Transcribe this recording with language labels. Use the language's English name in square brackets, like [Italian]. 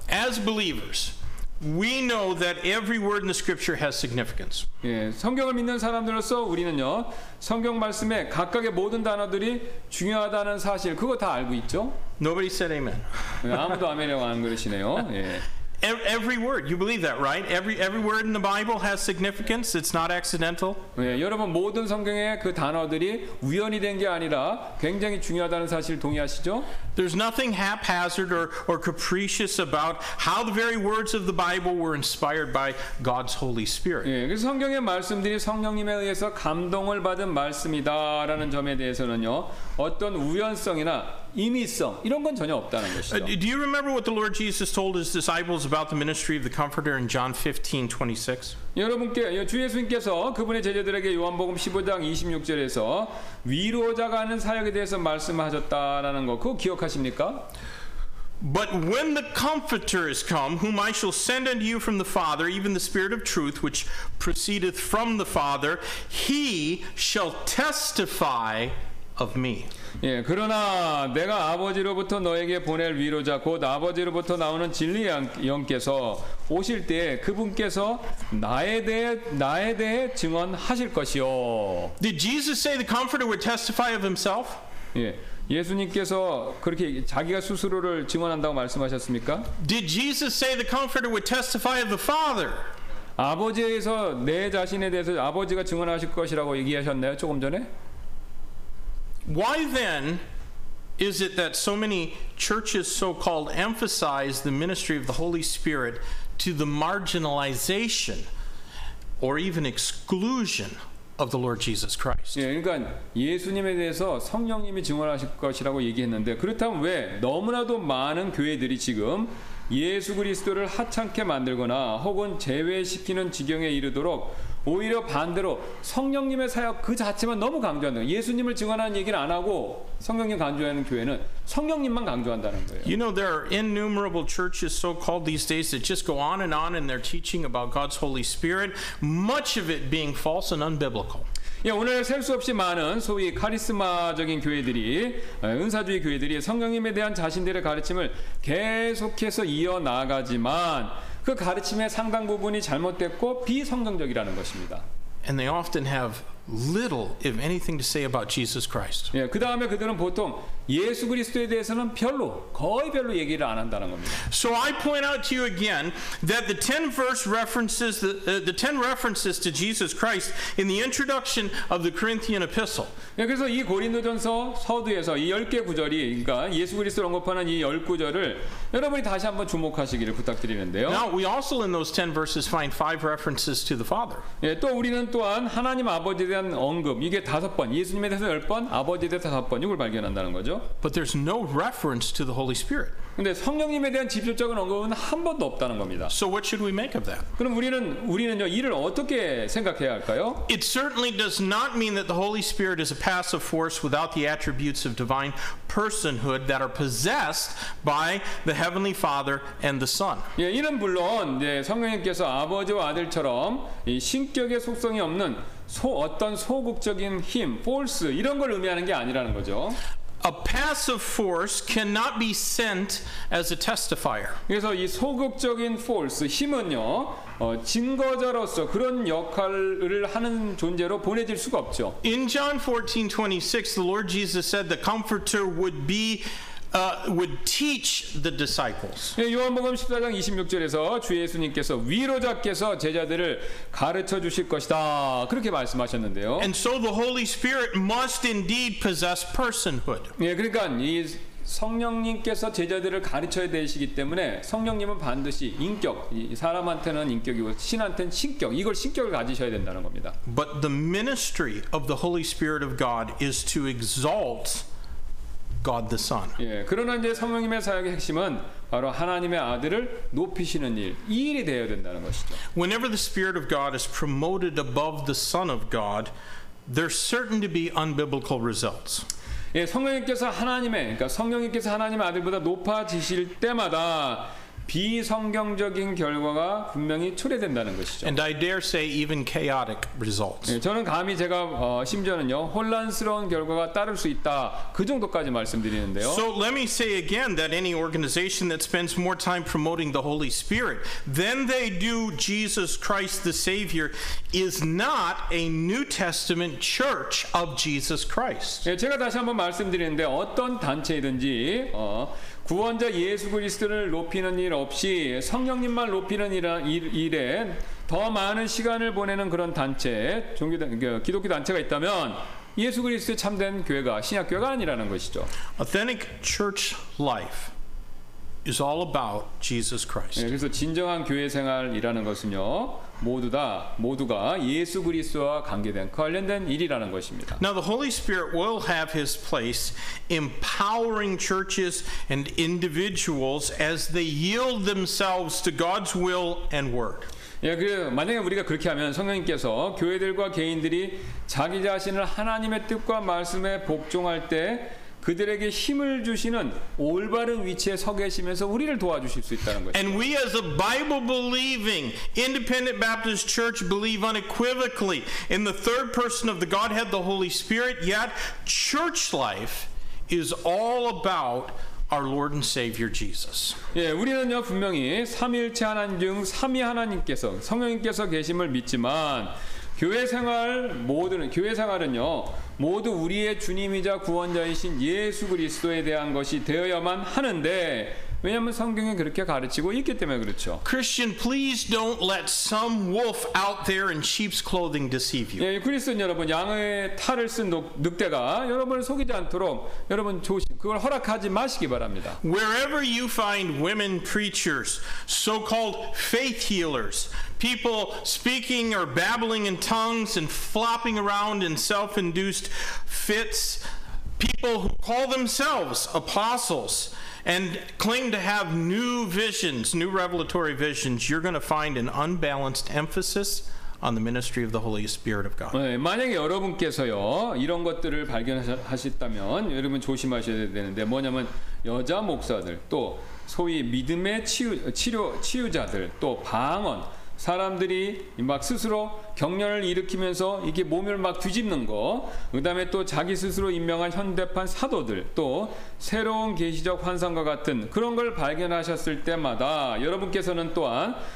[English] As believers, we know that every word in the scripture has significance. [Korean] 예, 성경을 믿는 사람들로서 우리는요. 성경 말씀에 각각의 모든 단어들이 중요하다는 사실 그거 다 알고 있죠? [English] Nobody said amen. [Korean] 아무도 아멘이라고 안 그러시네요. 예. [English] Every word, you believe that, right? Every word in the Bible has significance. It's not accidental. [Korean] 예, 여러분 모든 성경의 그 단어들이 우연이 된 게 아니라 굉장히 중요하다는 사실 동의하시죠? [English] There's nothing haphazard or capricious about how the very words of the Bible were inspired by God's Holy Spirit. [Korean] 예, 그래서 성경의 말씀들이 성령님에 의해서 감동을 받은 말씀이다라는 점에 대해서는요, 어떤 우연성이나 임의성 이런 건 전혀 없다는 것이죠. [English] Do you remember what the Lord Jesus told his disciples about the ministry of the Comforter in John 15:26? [Korean] 여러분께 주 예수님께서 그분의 제자들에게 요한복음 15장 26절에서 위로자가 하는 사역에 대해서 말씀하셨다라는 거 그거 기억하십니까? [English] But when the Comforter is come, whom I shall send unto you from the Father, even the Spirit of Truth, which proceedeth from the Father, he shall testify of me. [Korean] 예, 그러나 내가 아버지로부터 너에게 보낼 위로자 곧 아버지로부터 나오는 진리의 영께서 오실 때 그분께서 나에 대해 증언하실 것이요. [English] Did Jesus say the Comforter would testify of himself? [Korean] 예. 예수님께서 그렇게 자기가 스스로를 증언한다고 말씀하셨습니까? [English] Did Jesus say the Comforter would testify of the Father? [Korean] 아버지에서 내 자신에 대해서 아버지가 증언하실 것이라고 얘기하셨나요? 조금 전에? [English] Why then is it that so many churches so-called emphasize the ministry of the Holy Spirit to the marginalization or even exclusion of the Lord Jesus Christ? [Korean] 예, 그러니까 예수님에 대해서 성령님이 증언하실 것이라고 얘기했는데 그렇다면 왜 너무나도 많은 교회들이 지금 예수 그리스도를 하찮게 만들거나 혹은 제외시키는 지경에 이르도록 오히려 반대로 성령님의 사역 그 자체만 너무 강조한다. 예수님을 증언하는 얘기를 안 하고 성령님 강조하는 교회는 성령님만 강조한다는 거예요. [English] You know there are innumerable churches so called these days that just go on in their teaching about God's Holy Spirit, much of it being false and unbiblical. [Korean] 예, 오늘 셀 수 없이 많은 소위 카리스마적인 교회들이 은사주의 교회들이 성령님에 대한 자신들의 가르침을 계속해서 이어 나아가지만 그 가르침의 상당 부분이 잘못됐고 비성경적이라는 것입니다. [English] And they often have little, if anything, to say about Jesus Christ. [Korean] 예, 그 다음에 그들은 보통 예수 그리스도에 대해서는 별로, 거의 별로 얘기를 안 한다는 겁니다. [English] So I point out to you again that the 10 verse references, the 10 references to Jesus Christ in the introduction of the Corinthian epistle. [Korean] 예, 그래서 이 고린도전서 서두에서 이 10개 구절이, 그러니까 예수 그리스도를 언급하는 이 10구절을 여러분이 다시 한번 주목하시기를 부탁드리는데요. [English] Now we also in those 10 verses find 5 references to the Father. [Korean] 예, 또 우리는 또한 하나님 아버지 대한 언급 이게 다섯 번 예수님에 대해서 열 번 아버지에 대해서 다섯 번 이걸 발견한다는 거죠. [English] But there's no reference to the Holy Spirit. [Korean] 근데 성령님에 대한 직접적인 언급은 한 번도 없다는 겁니다. [English] So what should we make of that? [Korean] 그럼 우리는요 이를 어떻게 생각해야 할까요? [English] It certainly does not mean that the Holy Spirit is a passive force without the attributes of divine personhood that are possessed by the Heavenly Father and the Son. [Korean] 예, 이는 물론 이제 성령님께서 아버지와 아들처럼 이 신격의 속성이 없는 어떤 소극적인 힘, force 이런 걸 의미하는 게 아니라는 거죠. [English] A passive force cannot be sent as a testifier. [Korean] 그래서 이 소극적인 force, 힘은요, 증거자로서 그런 역할을 하는 존재로 보내질 수가 없죠. [English] In John 14:26, the Lord Jesus said the Comforter would be would teach the disciples. [Korean] 요한복음 14장 26절에서 주 예수님께서 위로자께서 제자들을 가르쳐 주실 것이다. 그렇게 말씀하셨는데요. [English] And so the Holy Spirit must indeed possess personhood. [Korean] 예, 그러니까 이 성령님께서 제자들을 가르쳐야 되시기 때문에 성령님은 반드시 인격, 사람한테는 인격이고 신한테는 신격, 이걸 신격을 가지셔야 된다는 겁니다. [English] But the ministry of the Holy Spirit of God is to exalt God the Son. [Korean] 예, 그러나 이제 성령님의 사역의 핵심은 바로 하나님의 아들을 높이시는 일, 이 일이 되어야 된다는 것이죠. [English] Whenever the Spirit of God is promoted above the Son of God, there's certain to be unbiblical results. [Korean] 예, 성령님께서 하나님의, 그러니까 성령님께서 하나님의 아들보다 높아지실 때마다 비성경적인 결과가 분명히 초래된다는 것이죠. [English] And I dare say even chaotic results. [Korean] 예, 저는 감히 제가 심지어는요 혼란스러운 결과가 따를 수 있다 그 정도까지 말씀드리는데요. [English] So let me say again that any organization that spends more time promoting the Holy Spirit than they do Jesus Christ the Savior is not a New Testament Church of Jesus Christ. [Korean] 예, 제가 다시 한번 말씀드리는데 어떤 단체이든지 구원자 예수 그리스도를 높이는 일 없이 성령님만 높이는 일에 더 많은 시간을 보내는 그런 단체, 기독교 단체가 있다면 예수 그리스도의 참된 교회가 신약교회가 아니라는 것이죠. [English] Authentic church life is all about Jesus Christ. [Korean] 예, 그래서 진정한 교회 생활이라는 것은요 모두가 예수 그리스도와 관련된 일이라는 것입니다. [English] Now the Holy Spirit will have His place empowering churches and individuals as they yield themselves to God's will and work. [Korean] 예, 만약에 우리가 그렇게 하면 성령님께서 교회들과 개인들이 자기 자신을 하나님의 뜻과 말씀에 복종할 때 그들에게 힘을 주시는 올바른 위치에 서 계시면서 우리를 도와주실 수 있다는 것이죠. [English] And we as a Bible-believing, independent Baptist church believe unequivocally in the third person of the Godhead, the Holy Spirit, yet church life is all about our Lord and Savior Jesus. [Korean] 예, 우리는요 분명히 삼위일체 하나님 중 삼위 하나님께서 성령님께서 계심을 믿지만 교회 생활은요 모두 우리의 주님이자 구원자이신 예수 그리스도에 대한 것이 되어야만 하는데 왜냐면 성경에 그렇게 가르치고 있기 때문에 그렇죠. [English] Christian, please don't let some wolf out there in sheep's clothing deceive you. [Korean] 예, 그리스도인 여러분, 양의 탈을 쓴 늑대가 여러분을 속이지 않도록 여러분 조심, 그걸 허락하지 마시기 바랍니다. [English] Wherever you find women preachers, so-called faith healers, people speaking or babbling in tongues and flopping around in self-induced fits, people who call themselves apostles and claim to have new visions, new revelatory visions, you're going to find an unbalanced emphasis on the ministry of the Holy Spirit of God. [Korean] 네, 만약에 여러분께서요 이런 것들을 발견하셨다면 여러분 조심하셔야 되는데 뭐냐면 여자 목사들 또 소위 믿음의 치유자들 또 방언 사람들이 막 스스로 경련을 일으키면서 이게 몸을 막 뒤집는 거 그다음에 또 자기 스스로 임명한 현대판 사도들 또 새로운 계시적 환상과 같은 그런 걸 발견하셨을 때마다 여러분께서는 또한